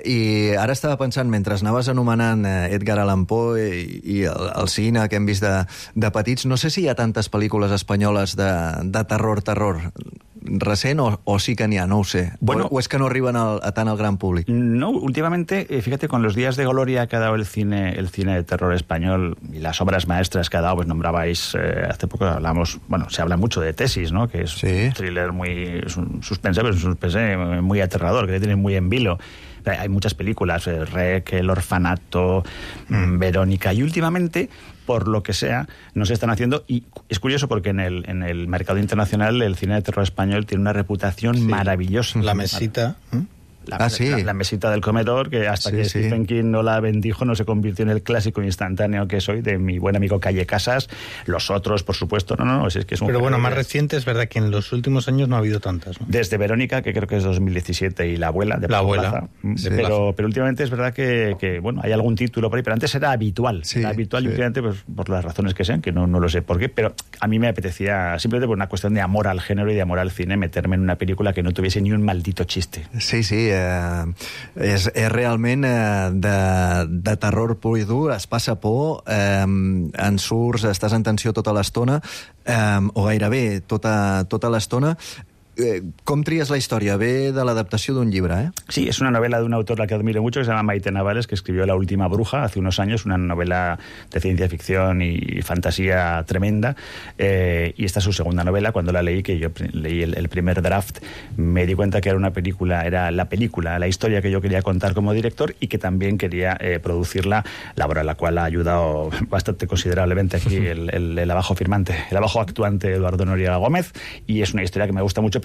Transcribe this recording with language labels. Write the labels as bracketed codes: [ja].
[ca] I ara estava pensant, mentre anaves anomenant Edgar Allan Poe i el cine que hem vist de petits, no sé si hi ha tantes pel·lícules espanyoles de terror recent, o sí que n'hi ha, no ho sé. Bueno, o és que no arriben a tant al gran públic? [es] No, últimamente, fíjate, con los días de gloria que ha dado el cine de terror español y las obras maestras que ha dado, pues nombrabais, hace poco hablamos, bueno, se habla mucho de Tesis, ¿no? Que es sí. Un thriller muy, es un suspense, pero es un suspense muy aterrador, que te tiene muy en vilo. Hay muchas películas, Rec, El Orfanato, Verónica, y últimamente, por lo que sea, no se están haciendo. Y es curioso porque en el mercado internacional el cine de terror español tiene una reputación sí. Maravillosa. La Mesita. La Mesita del Comedor, que hasta que Stephen King no la bendijo, no se convirtió en el clásico instantáneo que soy de mi buen amigo Calle Casas. Los otros, por supuesto, no si es que es un... Pero bueno, más reciente, es verdad que en los últimos años no ha habido tantas, ¿no? Desde Verónica, que creo que es 2017, y La Abuela. Pero últimamente es verdad que bueno, hay algún título por ahí, pero antes era habitual. Sí. Y últimamente, pues, por las razones que sean, que no lo sé por qué, pero a mí me apetecía, simplemente por una cuestión de amor al género y de amor al cine, meterme en una película que no tuviese ni un maldito chiste. Sí. [ca] És realment de terror pur i dur, es passa por, en surts, estàs en tensió tota l'estona, o gairebé tota l'estona. [es] ¿Cómo trías la historia? Ve de la adaptación de un libro, ¿eh? Sí, es una novela de un autor al que admiro mucho, que se llama Maite Navales, que escribió La última bruja hace unos años, una novela de ciencia ficción y fantasía tremenda, y esta es su segunda novela. Cuando la leí, que yo leí el primer draft, me di cuenta que era una película, era la película, la historia que yo quería contar como director y que también quería producirla, labor a la cual ha ayudado bastante considerablemente aquí el abajo actuante Eduardo Noriega Gómez, y es una historia que me gusta mucho.